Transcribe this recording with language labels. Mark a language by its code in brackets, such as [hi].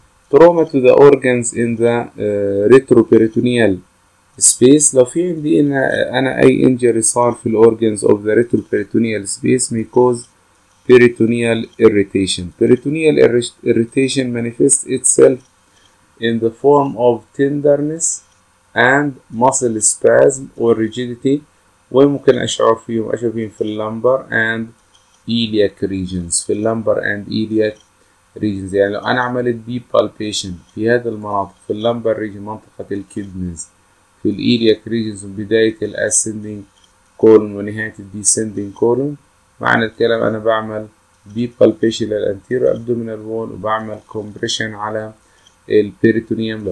[en] Trauma to the organs in the retroperitoneal space. [ar] لو في عندي انا [en] اي انجري [ar] صار في [en] الاورجنز of the retroperitoneal space may cause peritoneal irritation. Peritoneal irritation manifests itself in the form of tenderness and muscle spasm or rigidity. [ar] وممكن اشعر فيهم, اشعر فيهم في اللمبر [en] and iliac regions. [ar] في اللمبر [en] and iliac regions, [ar] يعني لو انا عملت [en] deep palpation [ar] في هذا المناطق, في اللمبر region منطقة الكيدنز, في الإيلياك ريجنز بداية الأسندينج كولون ونهاية الديسندينج كولون, معنى الكلام أنا بعمل ديب بالبيشن للأنتيرو أبدومينال وول وبعمل كومبريشن على البيريتونيوم.